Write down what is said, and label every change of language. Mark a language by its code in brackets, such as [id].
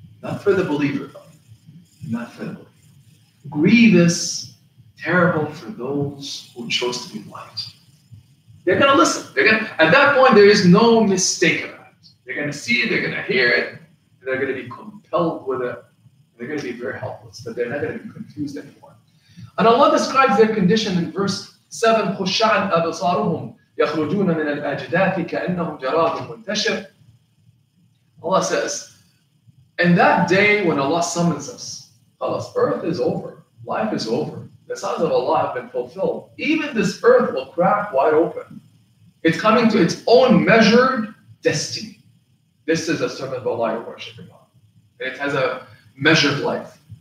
[en] Not for the believer, though. Not for the believer. Grievous, terrible for those who chose to be blind. They're going to listen. At that point, there is no mistake about it. They're going to see it, they're going to hear it. They're going to be compelled with it. They're going to be very helpless, but they're not going to be confused anymore. And Allah describes their condition in verse 7, [ar] خُشَّعَنْ أَبْصَارُهُمْ يَخْرُجُونَ مِنَ الْأَجْدَاثِ كَأَنَّهُمْ جَرَادٌ مُنْتَشِرٌ. [en] Allah says, in that day when Allah summons us, خَلَصْ, earth is over, life is over, the signs of Allah have been fulfilled. Even this earth will crack wide open. It's coming to its own measured destiny. This is a servant of Allah you're worshiping on. And it has a measured life.